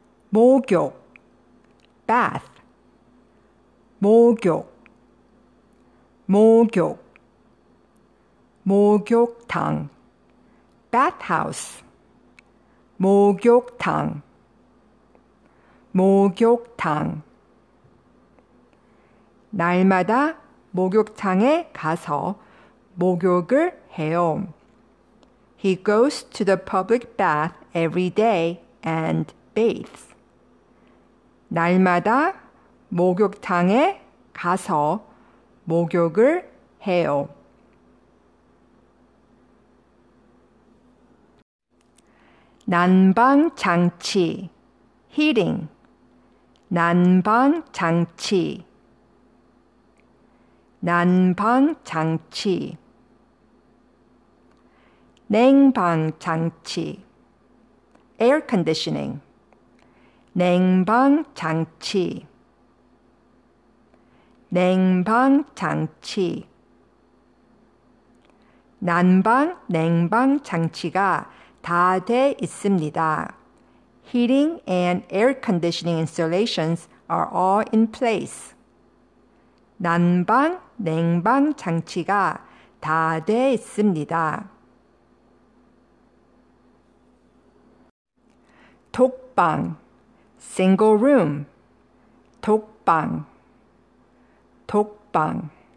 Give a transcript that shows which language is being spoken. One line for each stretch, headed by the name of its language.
Korean: 목욕, bath, 목욕, 목욕, 목욕탕, bathhouse, 목욕탕, 목욕탕. 날마다 목욕탕에 가서 목욕을 해요.
English: He goes to the public bath every day and bathes.
Korean: 날마다 목욕탕에 가서 목욕을 해요. 난방장치, heating. 난방장치, 난방장치. 냉방장치, air conditioning. 냉방장치, 냉방장치. 난방, 냉방장치가 다 돼 있습니다.
English: Heating and air conditioning installations are all in place.
Korean: 난방, 냉방장치가 다 돼 있습니다. 독방, single room, 독방, 독방.